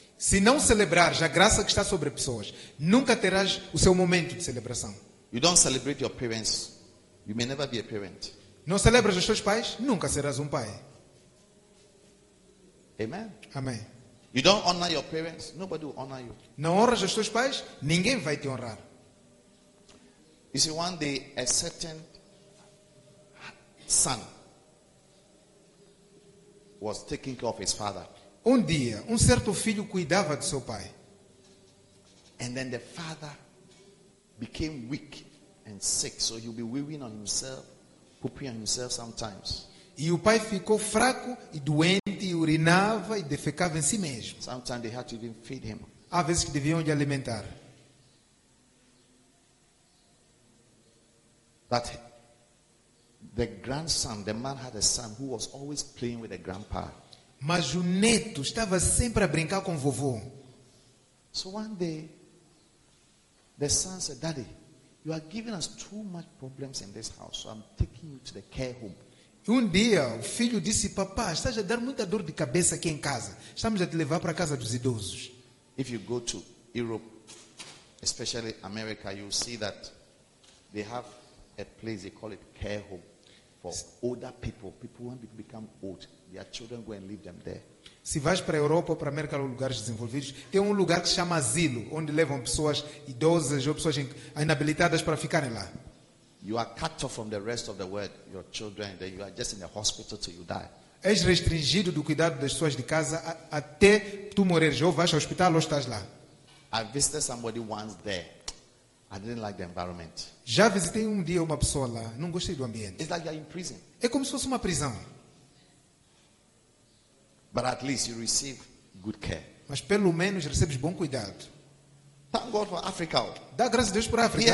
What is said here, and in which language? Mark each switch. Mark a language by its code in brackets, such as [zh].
[pt] Se não celebrares a graça que está sobre pessoas, nunca terás o seu momento de celebração. [en] You don't celebrate your parents, you may never be a parent. [pt] Não celebras os teus pais, nunca serás pai. [en] Amen. [pt] Amém. [en] You don't honor your parents, nobody will honor you. [pt] Não honras os teus pais, ninguém vai te honrar. [en] You see, one day a certain son was taking care of his father. [pt] Um dia, certo filho cuidava de seu pai. [en] And then the father became weak and sick, so he'll be weaving on himself, pooping on himself sometimes. [pt] E o pai ficou fraco e doente e urinava e defecava em si mesmo. [en] Sometimes they had to even feed him. [pt] Há vezes que deviam lhe alimentar. [en] But the grandson, the man had a son who was always playing with the grandpa. [pt] Mas o neto estava sempre a brincar com o vovô. [en] So one day the son said, "Daddy, you are giving us too much problems in this house, so I'm taking you to the care home." [pt] Um dia o filho disse: "Papá, estás a dar muita dor de cabeça aqui em casa. Estamos a te levar para a casa dos idosos." [en] If you go to Europe, especially America, you see that they have a place they call it care home for older people. People want to become old, their children go and leave them there. [pt] Se vais para a Europa ou para a América ou lugares desenvolvidos, tem lugar que se chama asilo, onde levam pessoas idosas ou pessoas inabilitadas para ficarem lá. [en] You are cut off from the rest of the world, your children, then you are just in the hospital till you die. [pt] És restringido do cuidado das pessoas de casa até tu morreres. Ou vais ao hospital ou estás lá. [en] I visited somebody once there. I didn't like the environment. [pt] Já visitei dia uma pessoa lá. Não gostei do ambiente. [en] It's like you're in prison. [pt] É como se fosse uma prisão. [en] But at least you receive good care. [pt] Mas pelo menos recebes bom cuidado. [en] Thank God for Africa. [pt] Dá graças a Deus por África.